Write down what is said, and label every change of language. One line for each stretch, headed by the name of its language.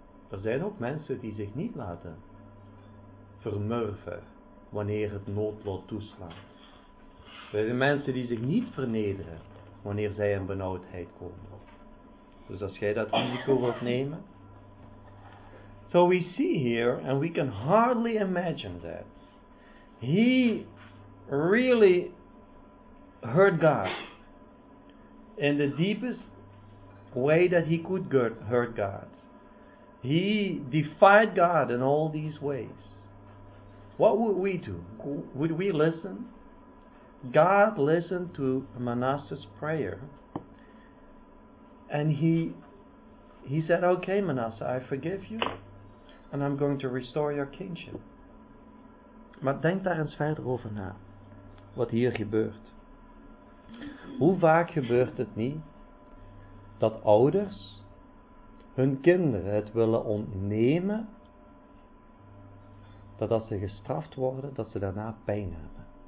Dutch: Er zijn ook mensen die zich niet laten vermurven wanneer het noodlot toeslaat. Er zijn mensen die zich niet vernederen wanneer zij in benauwdheid komen. Dus als jij dat risico wilt nemen.
English: So we see here, and we can hardly imagine that. He really hurt God in the deepest way that he could hurt God. He defied God in all these ways. What would we do? Would we listen? God listened to Manasseh's prayer. And he said, okay, Manasseh, I forgive you. And I'm going to restore your kingship.
Dutch: Maar denk daar eens verder over na. Wat hier gebeurt. Hoe vaak gebeurt het niet dat ouders hun kinderen het willen ontnemen dat als ze gestraft worden, dat ze daarna pijn hebben.